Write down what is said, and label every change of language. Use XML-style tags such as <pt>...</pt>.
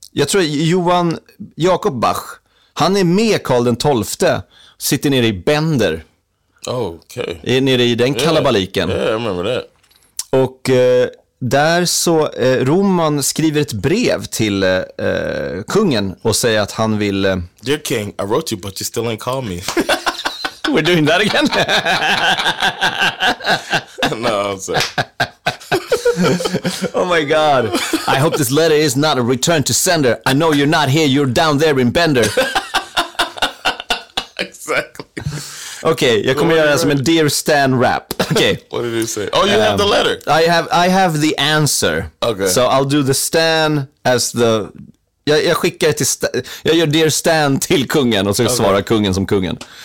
<sv>Jag tror Johan Jakob Bach, han är med Karl den 12:e, sitter nere i Bender.</sv> <en>Oh,</en> <sv>okej.</sv> <en>Okay.</en> <sv>Nere i den kalabaliken.</sv> <en>Yeah, I remember that.</en> <sv>Och där så Roman skriver ett brev till kungen och säger att han vill</sv> <en>Dear king, I wrote you but you still ain't call me. We're doing that again. No, I'm sorry. Oh my god, I hope this letter is not a return to sender. I know you're not here, you're down there in Bender. Exactly.</en> <sv>Okay, jag kommer göra det som en Dear Stan rap.</sv> <en>Okay. What did you say? Oh, you have the letter. I have the answer. Okay. So I'll do the Stan as the</en> <sv>jag skickar till jag gör Dear Stan till kungen och så svarar kungen som kungen.</sv>